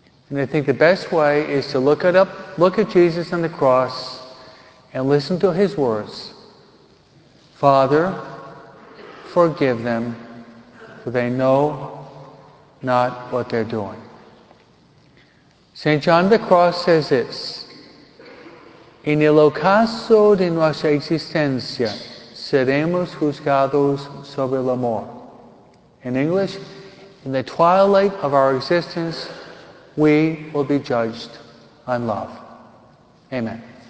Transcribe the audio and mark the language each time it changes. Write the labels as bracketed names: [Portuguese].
[English] And I think the best way is to look at Jesus on the cross and listen to his words. Father, forgive them, for they know not what they're doing. St. John the Cross says this, [Spanish] En el ocaso de nuestra existencia, seremos juzgados sobre el amor. [English] In English, in the twilight of our existence, we will be judged on love. Amen.